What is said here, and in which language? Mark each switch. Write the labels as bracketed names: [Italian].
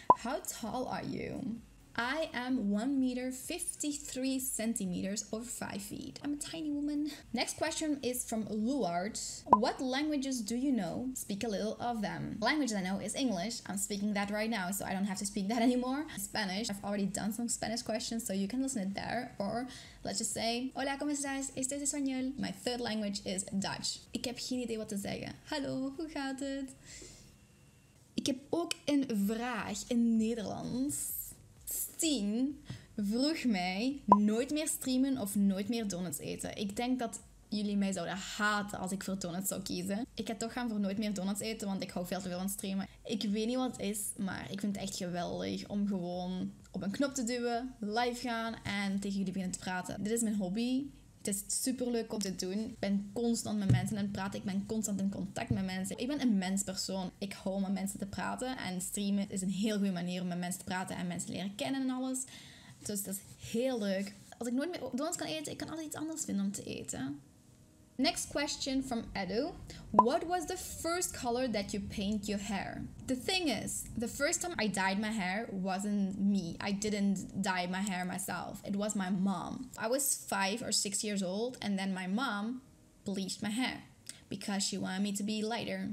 [English] How tall are you? I am 1 meter 53 centimeters or 5 feet. I'm a tiny woman. Next question is from Luart. What languages do you know? Speak a little of them. Language I know is English. I'm speaking that right now, so I don't have to speak that anymore. Spanish. I've already done some Spanish questions, so you can listen it there. Or let's just say, [Spanish] hola, ¿cómo estás? Este es español. [English] My third language is Dutch. [Dutch] Ik heb geen idee wat te zeggen. Hallo, hoe gaat het? Ik heb ook een vraag in Nederlands. Tien vroeg mij nooit meer streamen of nooit meer donuts eten. Ik denk dat jullie mij zouden haten als ik voor donuts zou kiezen. Ik ga toch gaan voor nooit meer donuts eten, want ik hou veel te veel aan streamen. Ik weet niet wat het is, maar ik vind het echt geweldig om gewoon op een knop te duwen, live gaan en tegen jullie beginnen te praten. Dit is mijn hobby. Het is super leuk om te doen. Ik ben constant met mensen en praat. Ik ben constant in contact met mensen. Ik ben een menspersoon. Ik hou om met mensen te praten. En streamen is een heel goede manier om met mensen te praten en mensen leren kennen en alles. Dus dat is heel leuk. Als ik nooit meer donuts kan eten, ik kan altijd iets anders vinden om te eten. [English] Next question from Edu. What was the first color that you paint your hair? The thing is, the first time I dyed my hair wasn't me. I didn't dye my hair myself. It was my mom. I was 5 or 6 years old and then my mom bleached my hair because she wanted me to be lighter.